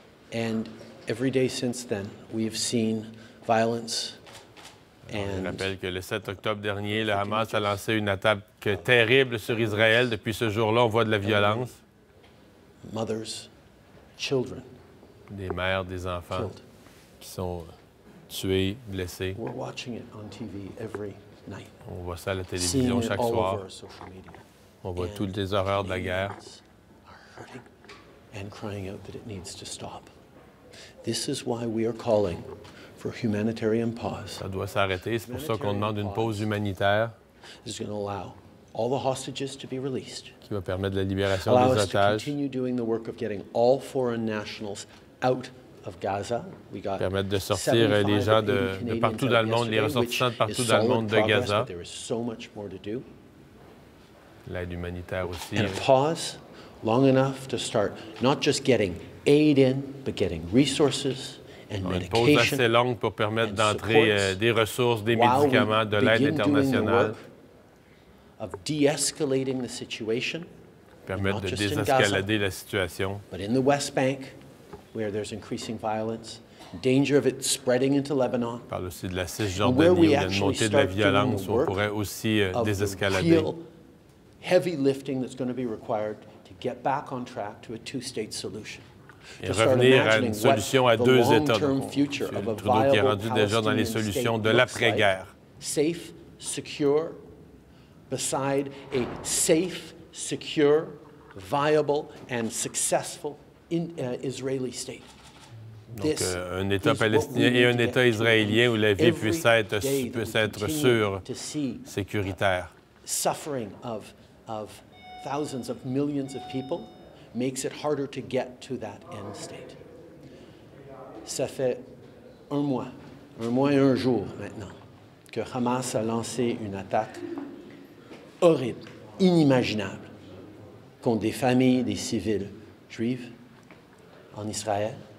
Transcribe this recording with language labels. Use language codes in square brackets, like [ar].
[en] And every day since then, we have seen violence. [fr] Je rappelle que le 7 octobre dernier, le Hamas a lancé une attaque terrible sur Israël. Depuis ce jour-là, on voit de la violence. [en] Mothers, children, [fr] des mères, des enfants [en] killed. [fr] Qui sont tués, blessés. [en] We're watching it on TV every night. [fr] On voit ça à la télévision chaque soir. On voit [en] and [fr] toutes les horreurs de la guerre. [en] And crying out that it needs to stop. This is why we are calling for humanitarian pause. [fr] Ça doit s'arrêter. C'est pour ça qu'on demande une pause humanitaire. [en] This is going to allow all the hostages to be released. [fr] Qui va permettre la libération des otages. [en] Allow us to continue doing the work of getting all foreign nationals out of Gaza. We got [fr] permettre de sortir les gens de partout dans le monde, les ressortissants de partout dans le monde de Gaza. [en] But there is so much more to do. [fr] L'aide humanitaire aussi. [en] And a pause long enough to start not just getting aid in, but getting resources. [fr] Une pause assez longue pour permettre d'entrer des ressources, des médicaments, de l'aide internationale. [en] Of de-escalating the situation, [fr] permettre de désescalader la situation. [en] But in the West Bank, where there's increasing violence, danger of it spreading into Lebanon. [fr] On parle aussi de la Cisjordanie, où il y a une montée de la violence, où on pourrait aussi désescalader. [en] Heavy lifting that's going to be required to get back on track to a two-state solution. [fr] Et revenir à une solution à deux États. M. Trudeau qui est rendu déjà dans les solutions de l'après-guerre. [en] Safe, secure, beside a safe, secure, viable and successful Israeli state. [fr] Donc, un État palestinien et un État israélien où la vie puisse être sûre, sécuritaire. [en] Suffering of thousands of millions of people makes it harder to get to that end state. [fr] Ça fait un mois et un jour maintenant, que Hamas a lancé une attaque horrible, inimaginable, contre des familles, des civils juifs en Israël.